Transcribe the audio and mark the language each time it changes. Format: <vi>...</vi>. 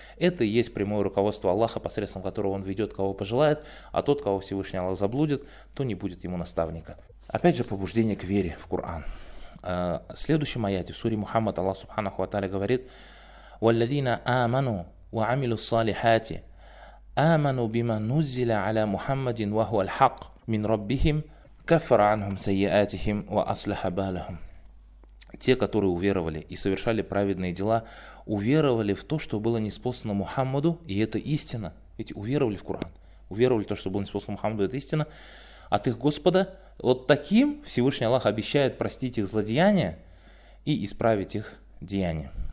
<ru>Это и есть прямое руководство Аллаха, посредством которого Он ведет, кого пожелает, а тот, кого Всевышний Аллах заблудит, то не будет ему наставника. Опять же, побуждение к вере в Коран. В следующем аяте, в суре Мухаммад, Аллах Субханаху ва Тааля говорит:</ru> <ar>«Валлазина аману ва амилу салихати». آمنوا بما نزل على محمد وهو الحق من ربهم كفر عنهم سيئاتهم وأصلح بالهم.</ar> <ru>Те, которые уверовали и совершали праведные дела, уверовали в то, что было ниспослано Мухаммаду, и это истина. Ведь уверовали в Коран, уверовали в то, что было ниспослано Мухаммаду, это истина. От их Господа вот таким Всевышний Аллах обещает простить их злодеяния и исправить их деяния.</ru>